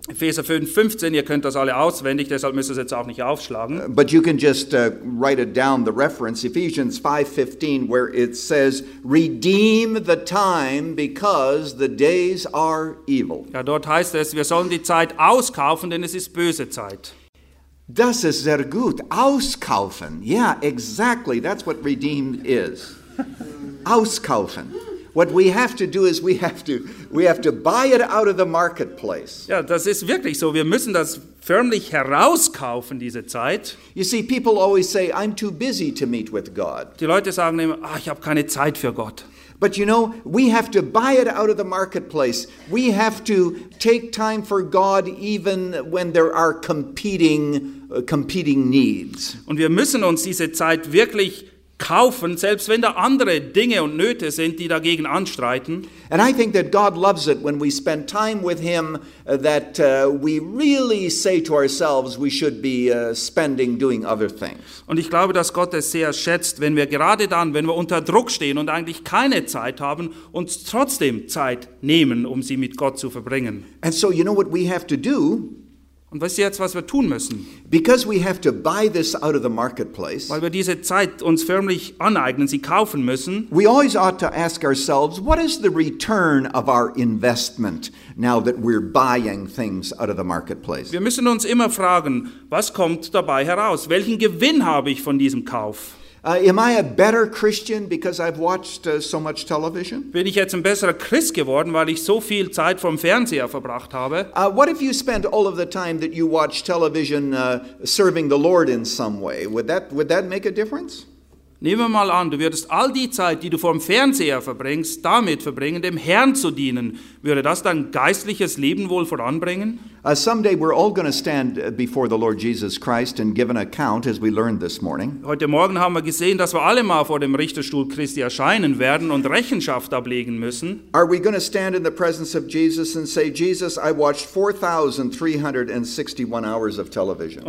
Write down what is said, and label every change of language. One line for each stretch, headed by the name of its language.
German: Epheser 5:15, ihr könnt das alle auswendig, deshalb müsst ihr es jetzt auch nicht aufschlagen.
English: But you can just write it down, the reference, Ephesians 5:15, where it says, redeem the time because the days are evil.
German: Ja, dort heißt es, wir sollen die Zeit auskaufen, denn es ist böse Zeit. Das ist sehr gut, auskaufen.
English: Yeah, exactly, that's what redeem is. Auskaufen. What we have to do is we have to buy it out of the marketplace.
German: Ja, das ist wirklich so. Wir müssen das förmlich herauskaufen, diese Zeit.
English: You see, people always say, I'm too busy to meet with God.
German: Die Leute sagen immer, ach, ich habe keine Zeit für Gott.
English: But you know, we have to buy it out of the marketplace. We have to take time for God even when there are competing needs.
German: Und wir müssen uns diese Zeit wirklich kaufen, selbst wenn da andere Dinge und Nöte sind, die dagegen anstreiten.
English: And I think that God loves it when we spend time with him, that we really say to ourselves we should be spending doing other things.
German: Und ich glaube, dass Gott es sehr schätzt, wenn wir gerade dann, wenn wir unter Druck stehen und eigentlich keine Zeit haben, uns trotzdem Zeit nehmen, um sie mit Gott zu verbringen.
English: And so you know what we have to do?
German: Und weißt du jetzt, was wir tun müssen?
English: Because we have to buy this out of the marketplace.
German: Weil wir diese Zeit uns förmlich aneignen, sie kaufen müssen.
English: We always ought to ask ourselves, what is the return of our investment now that we're buying things out of the marketplace?
German: Wir müssen uns immer fragen, was kommt dabei heraus? Welchen Gewinn habe ich von diesem Kauf?
English: Am I a better Christian because I've watched so much television?
German: Bin ich jetzt ein besserer Christ geworden, weil ich so viel Zeit vorm Fernseher verbracht habe?
English: What if you spent all of the time that you watch television serving the Lord in some way? Would that make a difference?
German: Nehmen wir mal an, du würdest all die Zeit, die du vorm Fernseher verbringst, damit verbringen, dem Herrn zu dienen. Würde das dein geistliches Leben wohl voranbringen?
English: Someday we're all going to stand before the Lord Jesus Christ and give an account, as we learned this morning.
German: Heute Morgen haben wir gesehen, dass wir alle mal vor dem Richterstuhl Christi erscheinen werden und Rechenschaft ablegen müssen.
English: Are we going to stand in the presence of Jesus and say, Jesus, I watched 4,361 hours of television?